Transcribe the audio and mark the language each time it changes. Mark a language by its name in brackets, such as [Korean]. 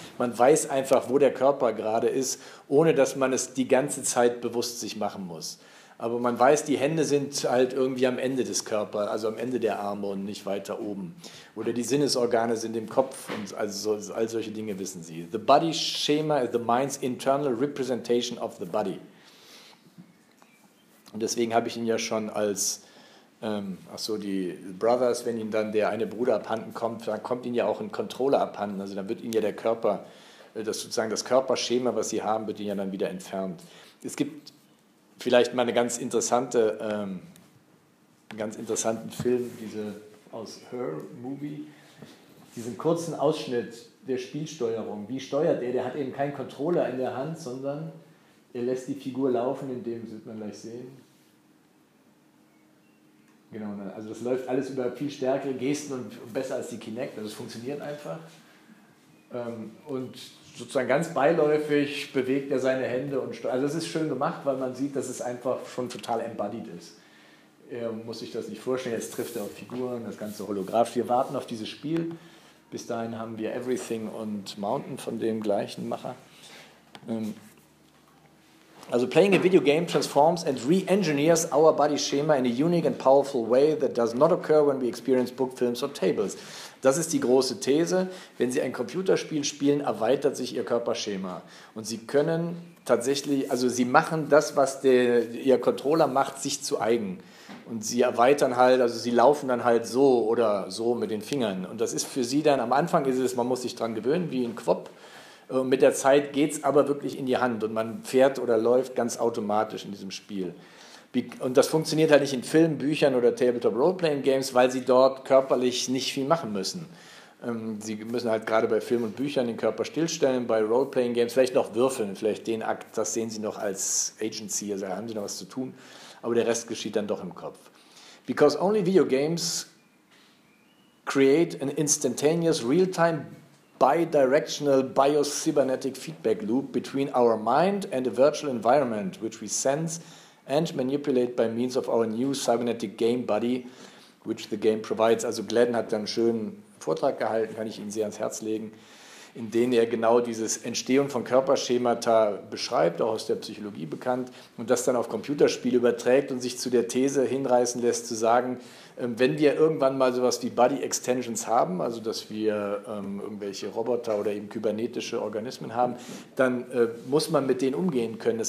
[German] Man weiß einfach, wo der Körper gerade ist, ohne dass man es die ganze Zeit bewusst sich machen muss. Aber man weiß, die Hände sind halt irgendwie am Ende des Körpers, also am Ende der Arme und nicht weiter oben. Oder die Sinnesorgane sind im Kopf und also so, all solche Dinge wissen Sie. [English] The body schema is the mind's internal representation of the body. [German] Und deswegen habe ich ihn ja schon als, die Brothers, wenn Ihnen dann der eine Bruder abhanden kommt, dann kommt Ihnen ja auch ein Controller abhanden, also dann wird Ihnen ja der Körper, das sozusagen das Körperschema, was Sie haben, wird Ihnen ja dann wieder entfernt. Es gibt vielleicht mal eine ganz interessante, einen ganz interessanten Film, diese aus Her Movie, diesen kurzen Ausschnitt, der Spielsteuerung. Wie steuert er? Der hat eben keinen Controller in der Hand, sondern er lässt die Figur laufen, in dem, wird man gleich sehen. Genau, also das läuft alles über viel stärkere Gesten und besser als die Kinect, also es funktioniert einfach. Und sozusagen ganz beiläufig bewegt er seine Hände und also das ist schön gemacht, weil man sieht, dass es einfach schon total embodied ist. Er muss sich das nicht vorstellen, jetzt trifft er auf Figuren, das ganze holographisch. Wir warten auf dieses Spiel. Bis dahin haben wir Everything und Mountain von dem gleichen Macher. [English] Also playing a video game transforms and re-engineers our body schema in a unique and powerful way that does not occur when we experience book, films or tables. [German] Das ist die große These. Wenn Sie ein Computerspiel spielen, erweitert sich Ihr Körperschema. Und Sie können tatsächlich, also Sie machen das, was der, Ihr Controller macht, sich zu eigen. Und Sie erweitern halt, also Sie laufen dann halt so oder so mit den Fingern. Und das ist für Sie dann, am Anfang ist es, man muss sich dran gewöhnen, wie ein Quop. Und mit der Zeit geht es aber wirklich in die Hand und man fährt oder läuft ganz automatisch in diesem Spiel. Und das funktioniert halt nicht in Filmen, Büchern oder Tabletop-Roleplaying-Games, weil sie dort körperlich nicht viel machen müssen. Sie müssen halt gerade bei Filmen und Büchern den Körper stillstellen, bei Roleplaying-Games vielleicht noch würfeln, vielleicht den Akt, das sehen sie noch als Agency, also da haben sie noch was zu tun, aber der Rest geschieht dann doch im Kopf. [English] Because only video games create an instantaneous real-time bidirectional bio-cybernetic feedback loop between our mind and a virtual environment, which we sense and manipulate by means of our new cybernetic game body, which the game provides. [German] Also Gladden hat dann einen schönen Vortrag gehalten, kann ich Ihnen sehr ans Herz legen, in dem er genau dieses Entstehen von Körperschemata beschreibt, auch aus der Psychologie bekannt, und das dann auf Computerspiele überträgt und sich zu der These hinreißen lässt, zu sagen, wenn wir irgendwann mal sowas wie Body Extensions haben, also dass wir irgendwelche Roboter oder eben kybernetische Organismen haben, dann muss man mit denen umgehen können.